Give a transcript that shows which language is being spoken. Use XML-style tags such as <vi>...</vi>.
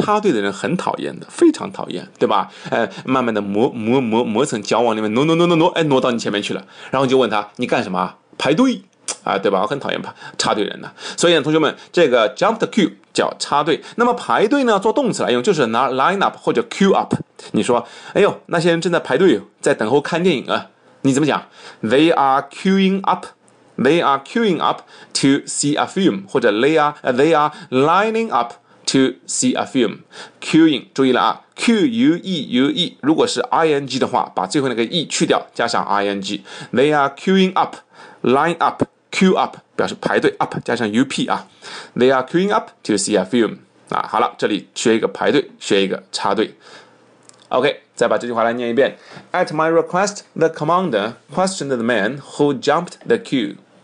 <zh>插队的人很讨厌的，非常讨厌，对吧？慢慢的磨成脚往里面挪，哎，挪到你前面去了，然后就问他你干什么排队啊，对吧？我很讨厌插队人的，所以同学们，这个</zh> <en>jump the queue</en> <zh>叫插队。那么排队呢，做动词来用就是拿</zh> <en>line up</en> <zh>或者</zh> <en>queue up。</en> <zh>你说，哎呦，那些人正在排队，在等候看电影啊？你怎么讲</zh> <en>？They are queuing up. They are queuing up to see a film，</en> <zh>或者</zh> <en>they are lining up to see a film。</en> <zh>Queuing， 注意了啊 ，Q U E U E， 如果是 I N G 的话，把最后那个 E 去掉，加上 I N G。</zh> <en>They are queuing up。 Line up, queue up</en> <zh>表示排队，</zh> <en>up</en> <zh>加上</zh> <en>up 啊。 They are queuing up to see a film 啊。</en> <zh>好了，这里学一个排队，学一个插队。OK， 再把这句话来念一遍。</zh> <en>At my request, the commander questioned the man who jumped the queue.</en>